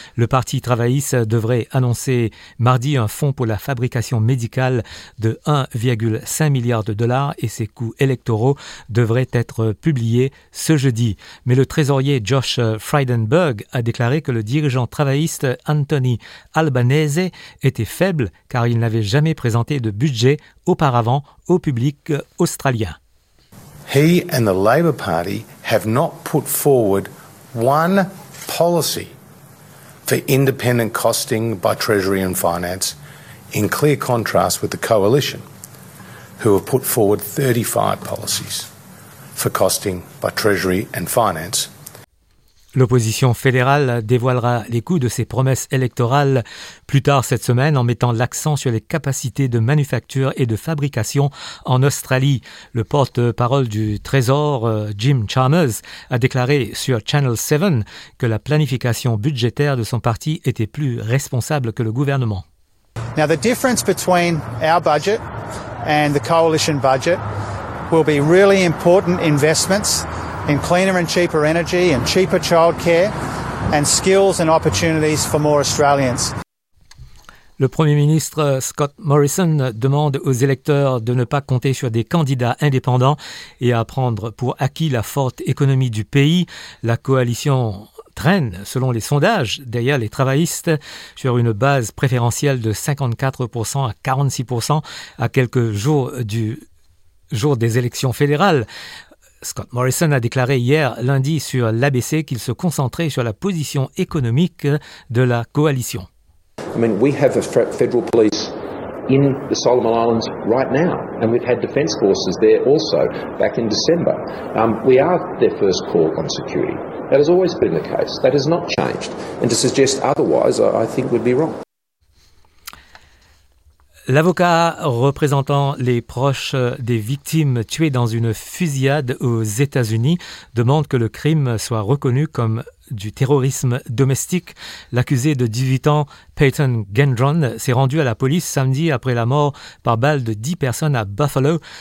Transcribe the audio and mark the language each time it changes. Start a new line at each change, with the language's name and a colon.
French: Le Parti travailliste devrait annoncer mardi un fonds pour la fabrication médicale de 1,5 milliard de dollars et ses coûts électoraux devraient être publié ce jeudi. Mais le trésorier Josh Frydenberg a déclaré que le dirigeant travailliste Anthony Albanese était faible car il n'avait jamais présenté de budget auparavant au public australien.
English: He and the Labour Party have not put forward one policy for independent costing by Treasury and Finance in clear contrast with the coalition who have put forward 35 policies. For costing by Treasury and Finance.
French: L'opposition fédérale dévoilera les coûts de ses promesses électorales plus tard cette semaine en mettant l'accent sur les capacités de manufacture et de fabrication en Australie. Le porte-parole du Trésor, Jim Chalmers, a déclaré sur Channel 7 que la planification budgétaire de son parti était plus responsable que le gouvernement.
English: Now the difference between our budget and the coalition budget will be really important investments in cleaner and cheaper energy and cheaper childcare and skills and opportunities for more Australians.
French: Le Premier ministre Scott Morrison demande aux électeurs de ne pas compter sur des candidats indépendants et à prendre pour acquis la forte économie du pays. La coalition traîne, selon les sondages, derrière les travaillistes, sur une base préférentielle de 54% à 46% à quelques jours du jour des élections fédérales. Scott Morrison a déclaré hier lundi sur l'ABC qu'il se concentrait sur la position économique de la coalition.
English: I mean, we have a federal police in the Solomon Islands right now, and we've had defence forces there also back in December. We are their first call on security. That has always been the case. That has not changed. And to suggest otherwise, I think would be wrong.
French: L'avocat représentant les proches des victimes tuées dans une fusillade aux États-Unis demande que le crime soit reconnu comme du terrorisme domestique. L'accusé de 18 ans, Peyton Gendron, s'est rendu à la police samedi après la mort par balle de 10 personnes à Buffalo.